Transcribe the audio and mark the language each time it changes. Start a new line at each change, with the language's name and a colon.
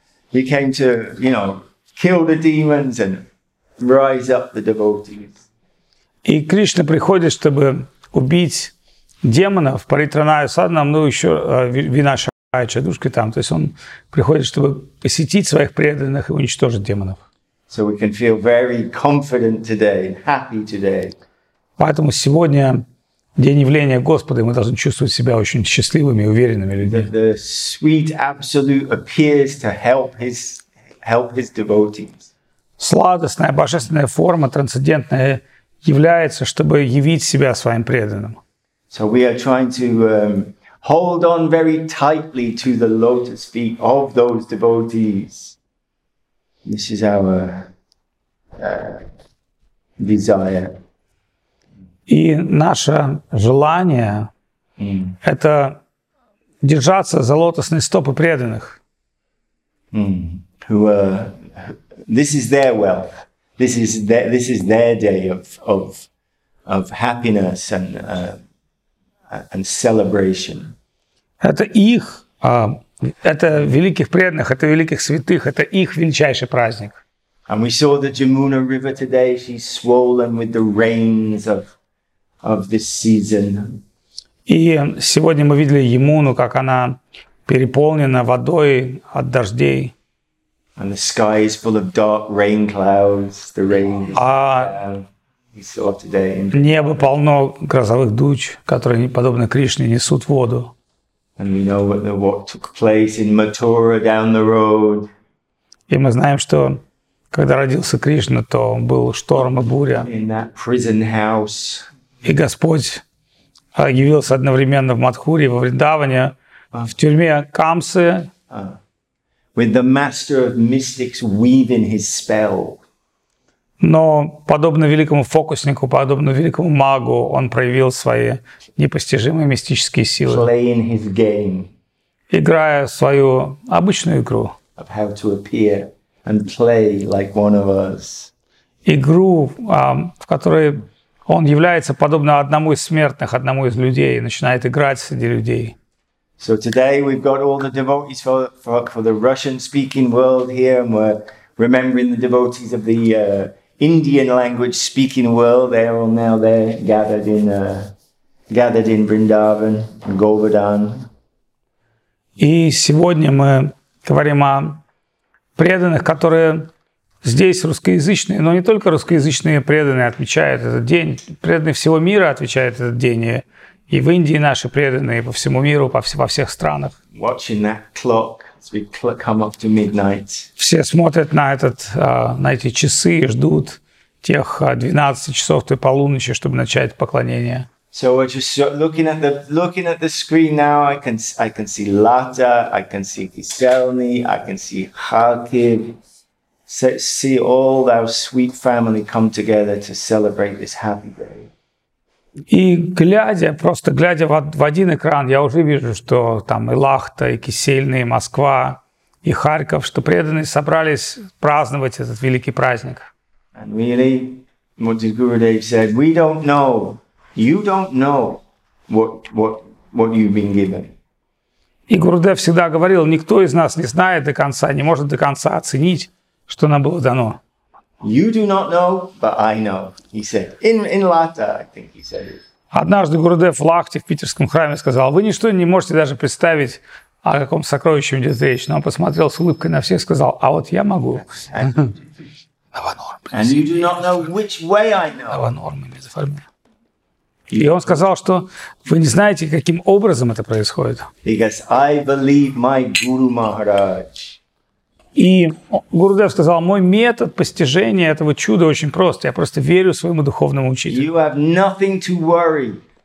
English: He came to, you know, kill the demons and rise up the devotees.
Russian: И Кришна приходит, чтобы убить демонов,
Sanskrit: паритраная саднам,
Russian: ну еще
Sanskrit: винаша.
Russian: Чадушки там, то есть он приходит, чтобы посетить своих преданных и уничтожить демонов.
English: So we can feel very confident today, happy today.
Russian: Поэтому сегодня день явления Господа, и мы должны чувствовать себя очень счастливыми и уверенными людьми.
English: The sweet absolute appears to help his devotees.
Russian: Сладостная божественная форма трансцендентная является, чтобы явить себя своим преданным.
English: So we are trying to hold on very tightly to the lotus feet of those devotees. This is our desire.
Russian: И наше желание это держаться за лотосные стопы преданных.
English: Who this is their wealth. This is their day of happiness and celebration.
Russian: Это их, это великих преданных, это великих святых, это их величайший праздник.
English: And we saw the Jamuna River today, she's swollen with the rains of this season.
Russian: И сегодня мы видели Ямуну, как она переполнена водой от дождей.
English: And the sky is full of dark rain clouds, the rain is we saw today.
Russian: Небо полно грозовых туч, которые, подобно Кришне, несут воду.
English: And we know what took place in Mathura down the road.
Russian: И мы знаем, что когда родился Кришна, то был шторм и буря.
English: In that prison house.
Russian: И Господь явился одновременно в Матхуре, во Вриндаване, в тюрьме Камсы.
English: With the master of mystics weaving his spell.
Russian: Но подобно великому фокуснику, подобно великому магу, он проявил свои непостижимые мистические силы.
English: Playing his game.
Russian: Играя свою обычную игру.
English: Of how to appear and play like one of us.
Russian: Игру, в которой он является подобно одному из смертных, одному из людей, начинает играть среди людей.
English: So today we've got all the devotees for the Russian-speaking world here, and we're remembering the devotees of the Indian language speaking world, they are all now there gathered in Vrindavan, Govardhan.
Russian: И сегодня мы говорим о преданных, которые здесь русскоязычные, но не только русскоязычные преданные отмечают этот день. Преданные всего мира отмечают этот день. И в Индии наши преданные по всему миру, во всех странах.
English: Watching that clock. We come up to midnight.
Russian: Все смотрят на этот, на эти часы и ждут тех 12 часов до полуночи, чтобы начать поклонение.
English: So we're just looking at the screen now. I can see Lata, I can see Kiselny, I can see Kharkiv. See all our sweet family come together to celebrate this happy day.
Russian: И глядя, просто глядя в один экран, я уже вижу, что там и Лахта, и Кисельный, и Москва, и Харьков, что преданные собрались праздновать этот великий праздник.
English: And really, what did Gurudev said, we don't know, you don't know what you've been given.
Russian: И Гурудев всегда говорил, никто из нас не знает до конца, не может до конца оценить, что нам было дано.
English: You do not know, but I know, he said. In Lata, I think he said it.
Russian: Однажды Гурудев в Лахте в питерском храме сказал, вы ничто не можете даже представить, о каком сокровище идет речь. Но он посмотрел с улыбкой на всех и сказал, а вот я могу.
English: And you do not know which way I know. Аванор, мы не заформили.
Russian: И он сказал, что вы не знаете, каким образом это происходит.
English: He goes, I believe my Guru Maharaj.
Russian: И Гурудев сказал, мой метод постижения этого чуда очень прост. Я просто верю своему духовному учителю.
English: You have nothing to worry.